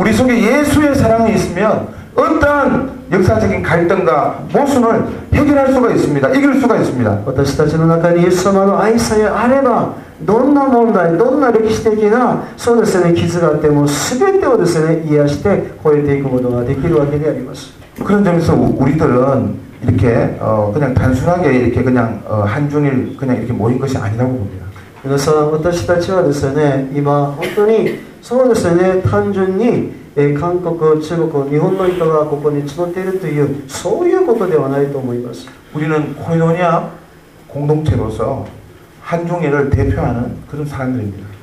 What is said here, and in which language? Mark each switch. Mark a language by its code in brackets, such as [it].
[ko] 우리속에예수의사랑이있으면어떠한역사적인갈등과모순을해결할수가있습니다이길수가있습니다 [ja] 私たちの中にイエス様の愛さえあればどんな問題どんな歴史的なそうですね傷があっても全てをですね癒して越えていくことができるわけであります [ko] 그런점에서우리들은 이렇게 그냥 단순하게 이렇게 그냥 한 주일 그냥 이렇게 모인 것이 아니라고 봅니다. [ja] 그래서 私たちはですね 今本当に そうですね 단순히 韓国、中国、日本の人がここに集っているというそういうことではないと思います。 [ko] 우리는코리노니아공동체로서한종일을대표하는그런사람들입니다。